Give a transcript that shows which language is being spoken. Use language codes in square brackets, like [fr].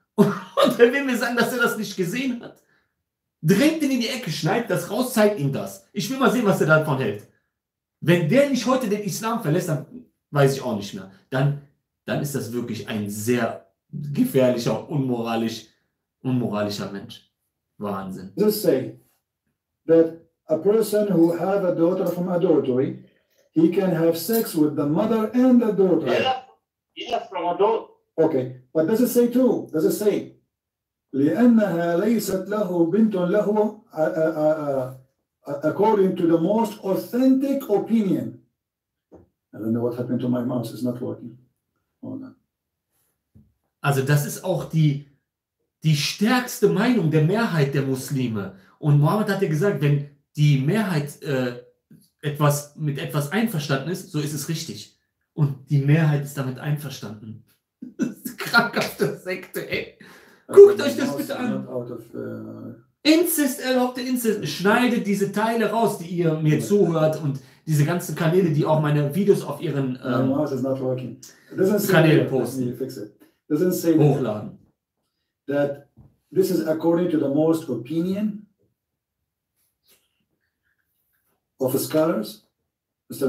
[de] Und er will mir sagen, dass er das nicht gesehen hat. Drängt ihn in die Ecke, schneidet das raus, zeigt ihm das. Ich will mal sehen, was er davon hält. Wenn der nicht heute den Islam verlässt, dann weiß ich auch nicht mehr. Dann ist das wirklich ein sehr gefährlicher, unmoralischer Mensch. Wahnsinn. [en] Let's say that a person who have a daughter from adultery, he can have sex with the mother and the daughter. Yeah, from adult. Okay, but does it say too? Does it say? [ar] لِأَنَّهَا لَيْسَتْ لَهُ بِنْتٌ لَهُ [en] according to the most authentic opinion. I don't know what happened to my mouse. It's not working. Hold on. [de] Also das ist auch die stärkste Meinung der Mehrheit der Muslime. Und Mohammed hat ja gesagt, wenn die Mehrheit etwas mit etwas einverstanden ist, so ist es richtig. Und die Mehrheit ist damit einverstanden. Krankhafte Sekte, ey. Guckt euch das bitte an. Inzest, erlaubte Inzest. Schneidet diese Teile raus, die ihr mir zuhört und diese ganzen Kanäle, die auch meine Videos auf ihren Kanälen posten. [en] Doesn't say [de] hochladen. [en] That this is according to the most opinion of the scholars, Mr.